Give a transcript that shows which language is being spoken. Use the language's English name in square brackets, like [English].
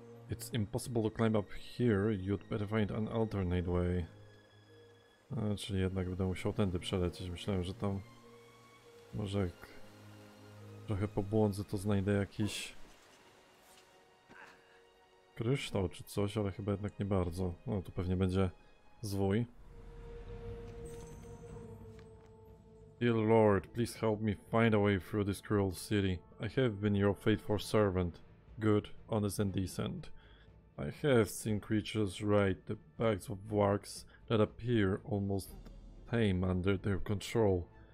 [English] It's impossible to climb up here, you'd better find an alternate way. [Polish] A, czyli jednak będę musiał tędy przelecieć. Myślałem, że tam może jak trochę pobłądzę, to znajdę jakiś kryształ czy coś, ale chyba jednak nie bardzo. No tu pewnie będzie zwój. [English] Dear Lord, please help me find a way through this cruel city. I have been your faithful servant, good, honest and decent. I have seen creatures ride the backs of wargs that appear almost tame under their control.